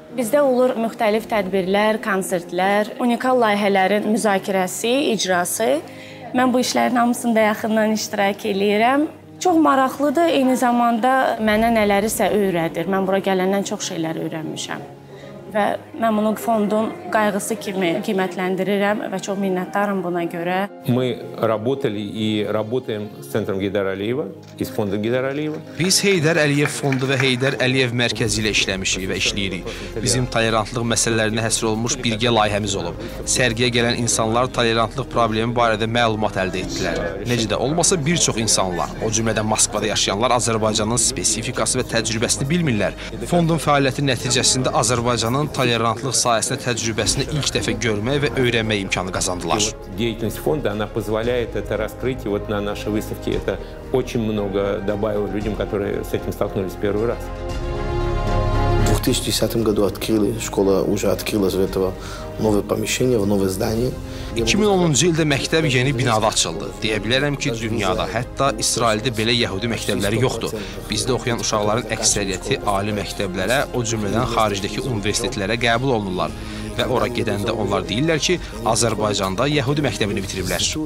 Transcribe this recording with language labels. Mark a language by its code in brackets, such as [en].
[az] Bizdə olur müxtəlif tədbirlər, konsertlər, unikal layihələrin müzakirəsi, icrası. Mən bu işlərin hamısında yaxından iştirak edirəm. Çox maraqlıdır, eyni zamanda mənə nələrisə öyrədir. Mən bura gələndən çox şeylər öyrənmişəm. Və mən bunu fondun qayğısı kimi qiymətləndirirəm və çox minnətdarım buna görə. [ru] Мы работали и работаем с центром Гейдар Алиева, с фондом Гейдар Алиева. [az] Biz Heydər Əliyev Fondu və Heydər Əliyev Mərkəzi ilə işləmişik və işləyirik. Bizim tolerantlıq məsələlərinə həsr olunmuş birgə layihəmiz olub. Sərgiyə gələn insanlar tolerantlıq problemi barədə məlumat əldə etdilər. Necə də olmasa bir çox insanlar, o cümlədən Moskvada yaşayanlar Azərbaycanın spesifikası və təcrübəsini bilmirlər. Fondun fəaliyyəti nəticəsində Azərbaycan onun tolerantlıq sayəsində təcrübəsini ilk dəfə görmək və öyrənmək imkanı qazandılar. [ru] Деятельность фонда она позволяет это раскрыть вот на нашей выставке это очень много добавило людям, которые с этим столкнулись первый раз. В 2010 году открыли школа уже открыла из этого новое помещение, в новое здание. [az] 2010-cu ildə məktəb yeni binada açıldı. Deyə bilərəm ki, dünyada, hətta İsraildə belə yəhudi məktəbləri yoxdur. Bizdə oxuyan uşaqların əksəriyyəti ali məktəblərə, o cümlədən xaricdəki universitetlərə qəbul olunurlar. Və ora gedəndə onlar deyirlər ki, Azərbaycanda yəhudi məktəbini bitiriblər.